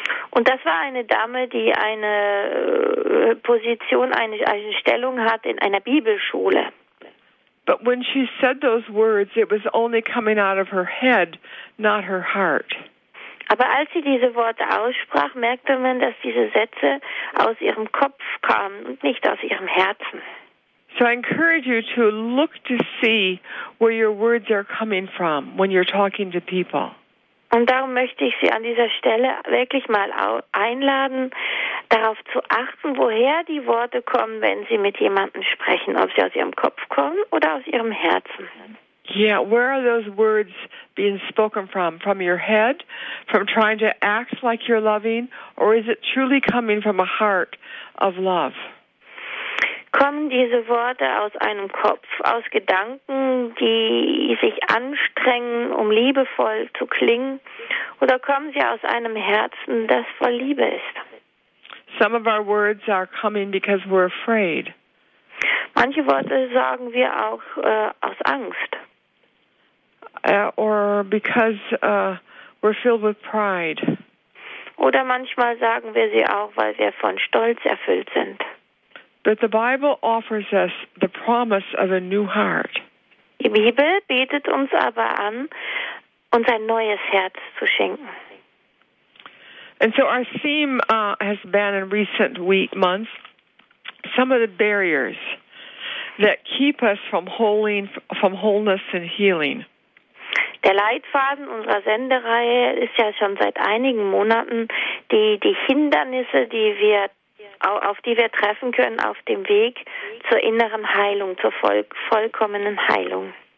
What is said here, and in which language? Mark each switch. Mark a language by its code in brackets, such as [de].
[de] Und das war eine Dame, die eine Position, eine Stellung hat in einer Bibelschule. [en] But when she said those words, it was only coming out of her head, not her heart. [de] Aber als sie diese Worte aussprach, merkte man, dass diese Sätze aus ihrem Kopf kamen und nicht aus ihrem Herzen. [en] So I encourage you to look to see where your words are coming from when you're talking to people. [de] Und darum möchte ich Sie an dieser Stelle wirklich mal einladen, darauf zu achten, woher die Worte kommen, wenn Sie mit jemandem sprechen, ob sie aus Ihrem Kopf kommen oder aus Ihrem Herzen. [en] Yeah, where are those words being spoken from? From your head? From trying to act like you're loving? Or is it truly coming from a heart of love? [de] Kommen diese Worte aus einem Kopf, aus Gedanken, die sich anstrengen, um liebevoll zu klingen? Oder kommen sie aus einem Herzen, das voll Liebe ist? [en] Some of our words are coming because we're afraid. [de] Manche Worte sagen wir auch aus Angst. [en] Or because we're filled with pride. [de] Oder manchmal sagen wir sie auch, weil wir von Stolz erfüllt sind. [en] But the Bible offers us the promise of a new heart. [de] Die Bibel bietet uns aber an, uns ein neues Herz zu schenken. [en] And so our theme has been in recent months, some of the barriers that keep us from wholeness and healing. [de] Der Leitfaden unserer Sendereihe ist ja schon seit einigen Monaten die Hindernisse, die wir auf die wir treffen können auf dem Weg zur inneren Heilung, zur vollkommenen Heilung.